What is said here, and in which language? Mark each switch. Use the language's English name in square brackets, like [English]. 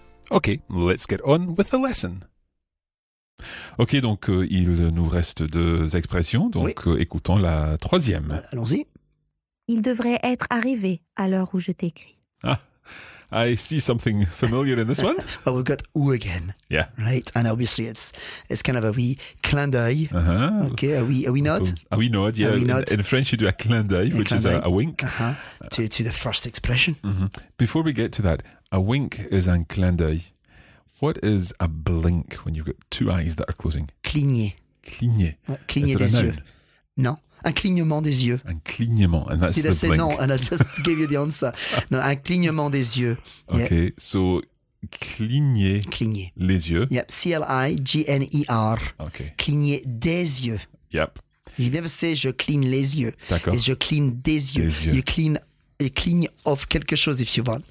[English] Ok, let's get on with the lesson. [French] Ok, donc il nous reste deux expressions, donc oui. Écoutons la troisième. Allons-y. Il devrait être arrivé à l'heure où je t'écris. Ah, [English] I see something familiar in this one. Well, we've got ou again. Yeah. Right. And obviously it's kind of a wee clin d'œil. Uh-huh. Okay. A wee nod. Yeah. In French, you do a clin d'œil, which is a wink. Uh-huh. To the first expression. Mm-hmm. Before we get to that, a wink is un clin d'œil. What is a blink when you've got two eyes that are closing? [French] Cligner des yeux. Non. Un clignement des yeux. Un clignement, [English] and that's did the I say blink. No, and I just gave you the answer. [French] No, un clignement des yeux. [English] Yeah. [French] Okay, so cligner les yeux. [English] Yep, C-L-I-G-N-E-R. Okay. [French] Cligner des yeux. [English] Yep. You never say [French] je cligne les yeux. D'accord. It's je cligne des yeux. Des yeux. [English] You cligne of quelque chose if you want.